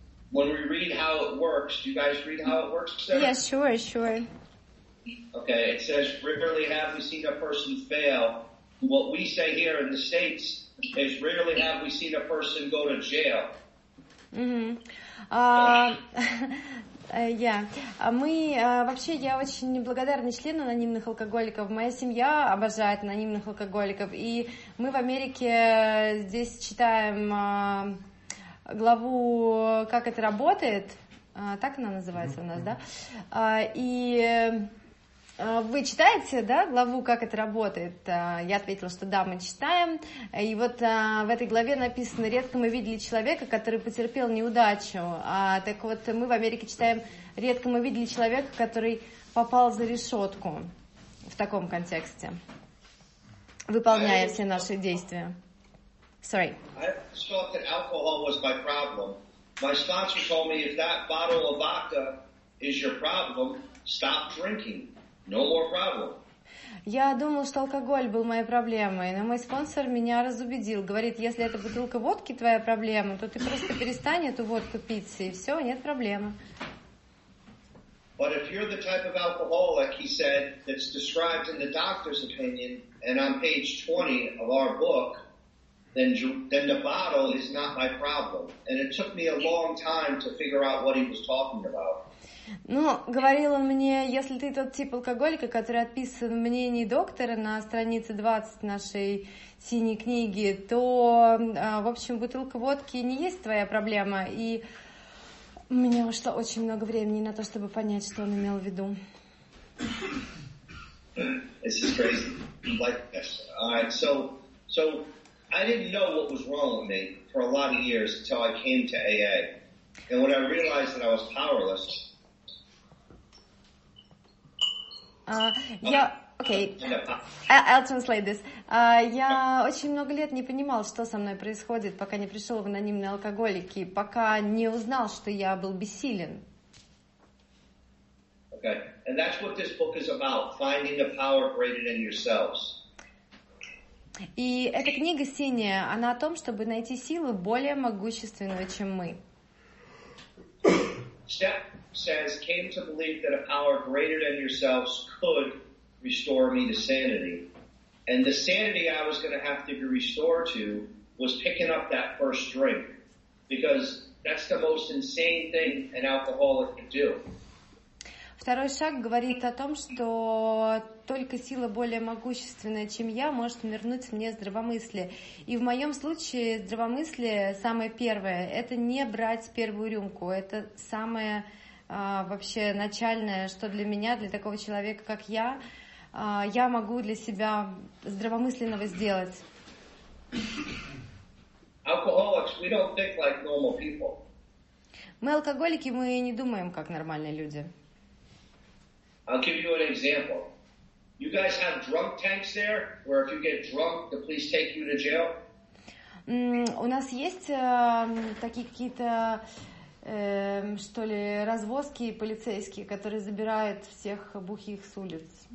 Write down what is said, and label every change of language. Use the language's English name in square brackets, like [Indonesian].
[English] When we read how it works, do you guys read how it works, Sarah? Yes, sure. Okay, it says, rarely have we seen a person fail what we say here in the States is rarely have we seen a person go to jail. [Russian] Мы вообще, я очень неблагодарный член анонимных алкоголиков. Моя семья обожает анонимных алкоголиков, и мы в Америке здесь читаем главу «Как это работает», так она называется у нас, да? И вы читаете, да, главу «Как это работает»? Я ответила, что да, мы читаем. И вот в этой главе написано: «Редко мы видели человека, который потерпел неудачу». Так вот, мы в Америке читаем: «Редко мы видели человека, который попал за решетку». В таком контексте. Выполняя все наши действия. [English] Sorry. I thought that alcohol was my problem. My sponsor told me, if that bottle of vodka is your problem, stop drinking. No more problem. [Russian] Я думал, что алкоголь был моей проблемой, но мой спонсор меня разубедил. Говорит, если эта бутылка водки твоя проблема, то ты просто перестань эту водку пить, и все, нет проблемы. [English] But if you're the type of alcoholic, he said, that's described in the doctor's opinion, and on page 20 of our book, then the bottle is not my problem. And it took me a long time to figure out what he was talking about. [Russian] Ну, говорил он мне, если ты тот тип алкоголика, который отписан в мнении доктора на странице 20 нашей синей книги, то, в общем, бутылка водки не есть твоя проблема. И у меня ушло очень много времени на то, чтобы понять, что он имел в виду. [English] This is crazy. Like this. All right, so I didn't know what was wrong with me for a lot of years until I came to AA. And when I realized that I was powerless... I'll translate this. [Russian] Я очень много лет не понимал, что со мной происходит, пока не пришел в анонимные алкоголики, пока не узнал, что я был бессилен. [English] Okay, and that's what this book is about, finding the power greater than yourselves. [Russian] И эта книга синяя, она о том, чтобы найти силу более могущественную, чем мы. [English] Step says, came to believe that a power greater than yourselves could restore me to sanity. And the sanity I was going to have to be restored to was picking up that first drink. Because that's the most insane thing an alcoholic can do. [Russian] Второй шаг говорит о том, что только сила более могущественная, чем я, может вернуть мне здравомыслие. И в моем случае здравомыслие самое первое – это не брать первую рюмку. Это самое вообще начальное, что для меня, для такого человека, как я могу для себя здравомысленного сделать. [English] Alcoholics, we don't think like normal people. [Russian] Мы алкоголики, мы не думаем как нормальные люди. [English] I'll give you an example. You guys have drunk tanks there, where if you get drunk, the police take you to jail? [Russian] У нас есть такие какие-то, что ли, развозки полицейские, которые забирают всех бухих с улиц.